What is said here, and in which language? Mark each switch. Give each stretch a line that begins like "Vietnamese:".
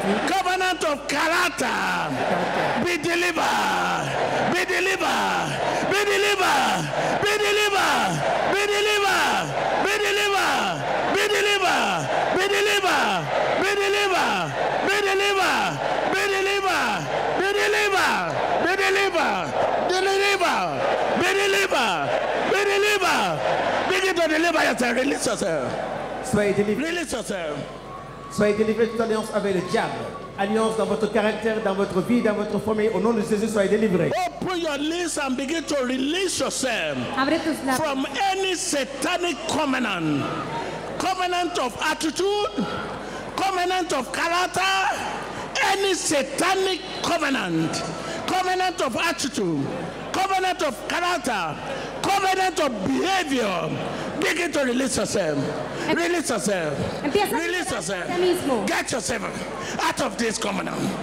English: Covenant of character. Be delivered. Be delivered. Be delivered. Be delivered. Be delivered. Be delivered. Be delivered. Be delivered. Be delivered, be delivered, be delivered, be delivered, be delivered, be delivered, be delivered, be delivered. Begin to deliver yourself, release yourself.
French: Soyez délivré.
English: Release yourself.
French: Soyez délivré de toute alliance avec le diable. Alliance dans votre caractère, dans votre vie, dans votre famille. Au nom de Jésus, soyez délivré.
English: Open your lips and begin to release yourself.
Spanish: Abre tus labios.
English: From any satanic covenant. Covenant of attitude. Covenant of character, any satanic covenant, covenant of attitude, covenant of character, covenant of behavior, begin to release yourself, release yourself, release yourself, get yourself out of this covenant.